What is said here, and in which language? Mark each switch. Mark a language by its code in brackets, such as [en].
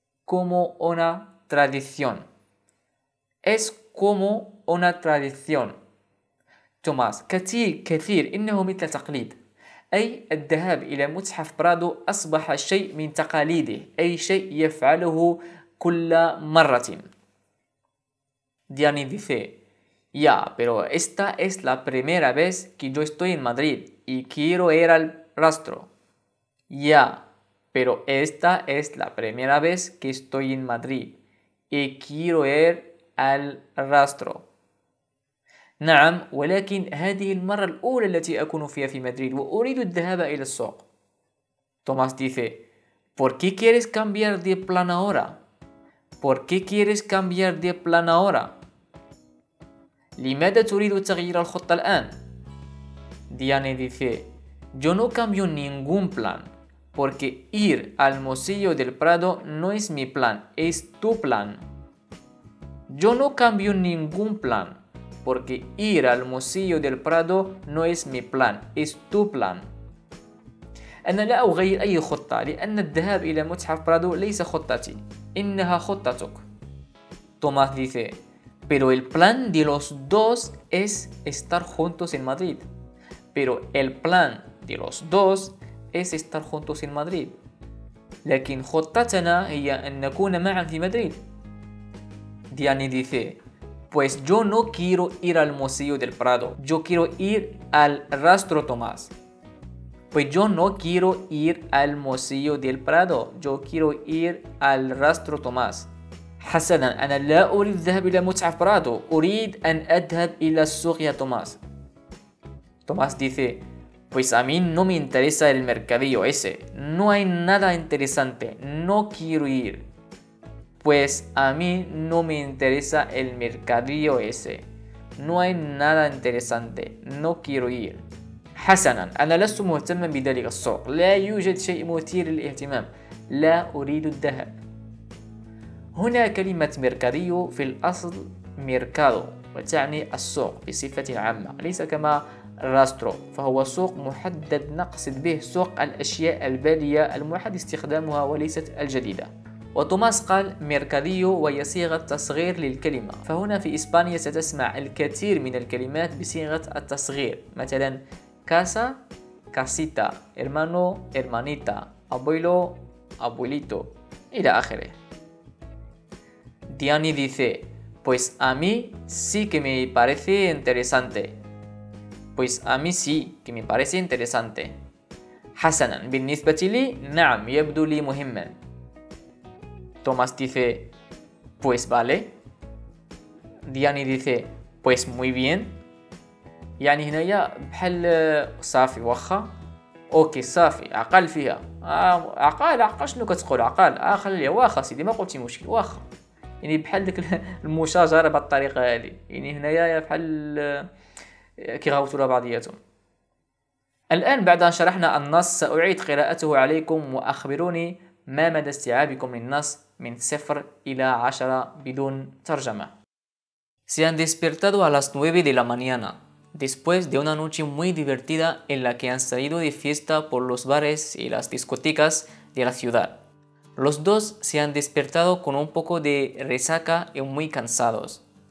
[es] como una tradición. Es como una tradición. [ar] Tomás, كثير كثير إنه مثل تقليد. أي الذهاب إلى متحف برادو أصبح شيء من تقاليده. أي شيء يفعله كل مرة. [es] Diani dice, ya, pero esta es la primera vez que yo estoy en Madrid y quiero ir al rastro. Ya, pero esta es la primera vez que estoy en Madrid y quiero ir al rastro. [ar] نعم ولكن هذه المرة الأولى التي أكون فيها في مدريد وأريد الذهاب إلى السوق. [es] توماس dice, ¿Por qué quieres cambiar de plan ahora? ¿Por qué quieres cambiar de plan ahora? [ar] لماذا تريد تغيير الخطة الآن؟ [es] Diane dice, Yo no cambio ningún plan porque ir al Museo del Prado no es mi plan, es tu plan. Yo no cambio ningún plan porque ir al Museo del Prado no es mi plan, es tu plan. [ar] أنا لا أغير أي خطة لأن الذهاب إلى متحف برادو ليس خطتي، إنها خطتك. [es] Tomás dice, Pero el plan de los dos es estar juntos en Madrid. Pero el plan de los dos es estar juntos en Madrid. [ar] لكن خطتنا هي أن نكون معا في مدريد. [es] Diane dice, Pues yo no quiero ir al Museo del Prado. Yo quiero ir al Rastro Tomás. Pues yo no quiero ir al Museo del Prado. Yo quiero ir al Rastro Tomás. [ar] حسنا أنا لا أريد الذهاب إلى متحف برادو أريد أن أذهب إلى السوق يا توماس. [es] توماس dice Pues a mí no me interesa el mercadillo ese No hay nada interesante No quiero ir Pues a mí no me interesa el mercadillo ese No hay nada interesante No quiero ir [ar] حسنا أنا لست مهتما بذلك السوق لا يوجد شيء مثير للاهتمام لا أريد الذهاب هنا كلمة ميركاديو في الأصل ميركادو وتعني السوق بصفة عامة ليس كما راسترو فهو سوق محدد نقصد به سوق الأشياء البالية المعهد استخدامها وليست الجديدة وتوماس قال ميركاديو وهي صيغة تصغير للكلمة فهنا في إسبانيا ستسمع الكثير من الكلمات بصيغة التصغير مثلا كاسا كاسيتا إرمانو إرمانيتا أبويلو أبويليتو إلى آخره [es] Diane dice, pues a mí sí que me parece interesante. Pues a mí sí que me parece interesante. [ar] حسنا, بالنسبة لي, نعم, يبدو لي مهما. Tomás dice, pues vale. Diane dice, pues muy bien. يعني هنا يا بحل صافي وخا. أوكي صافي, عقال فيها. عقال, عقال شنو كتقول عقال. عقال لي وخا سيدي ما قلتي مشكل وخا. يعني بحال ديك المشاجرة بالطريقة هذه يعني هنايا بحال كيغاوتوا على بعضياتهم الآن بعد أن شرحنا النص سأعيد قراءته عليكم وأخبروني ما مدى استيعابكم للنص من 0 إلى 10 بدون ترجمة [es] Se han despertado a las 9 de la mañana después de una noche muy divertida en la que han salido de fiesta por los bares y las discotecas de la ciudad Los dos se han despertado con un poco de resaca y muy cansados.